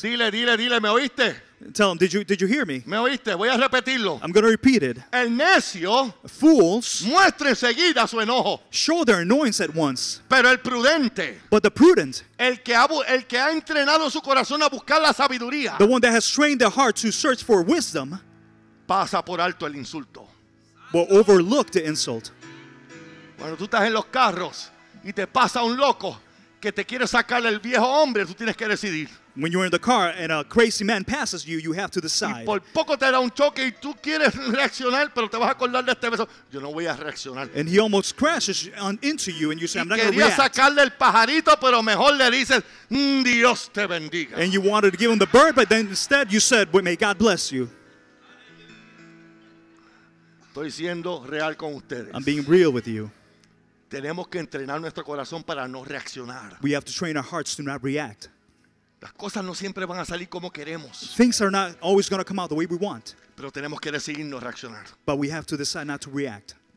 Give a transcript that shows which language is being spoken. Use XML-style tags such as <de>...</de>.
<es>Dile, ¿me oíste?</es> <en>Tell him, did you hear me?</en> <es>¿Me oíste? Voy a repetirlo.</es> <en>I'm going to repeat it.</en> <es>El necio,</es> <en>fools,</en> <es>muestra enseguida su enojo.</es> <en>Show their annoyance at once.</en> <es>Pero el prudente,</es> <en>but the prudent,</en> <es>el que ha entrenado su corazón a buscar la sabiduría,</es> <en>the one that has trained their heart to search for wisdom,</en> <es>pasa por alto el insulto.</es> <en>Will overlook the insult.</en> <es>Cuando tú estás en los carros y te pasa un loco que te quiere sacar el viejo hombre, tú tienes que decidir.</es> <en>When you're in the car and a crazy man passes you, you have to decide.</en> <es>Y por poco te da un choque y tú quieres reaccionar, pero te vas a acordar de este beso. Yo no voy a reaccionar.</es> <en>And he almost crashes into you and you say,</en> <es>y</es> <en>I'm not going to react.</en> <es>Quería sacarle el pajarito, pero mejor le dices, Dios te bendiga.</es> <en>And you wanted to give him the bird, but then instead you said, well, may God bless you.</en> <es>Estoy siendo real con ustedes.</es> <en>I'm being real with you.</en> <es>Tenemos que entrenar nuestro corazón para no reaccionar.</es> <en>We have to train our hearts to not react.</en> <es>Las cosas no siempre van a salir como queremos.</es> <en>Things are not always going to come out the way we want.</en> <es>Pero tenemos que decidir no reaccionar.</es> <en>But we have to decide not to react.</en>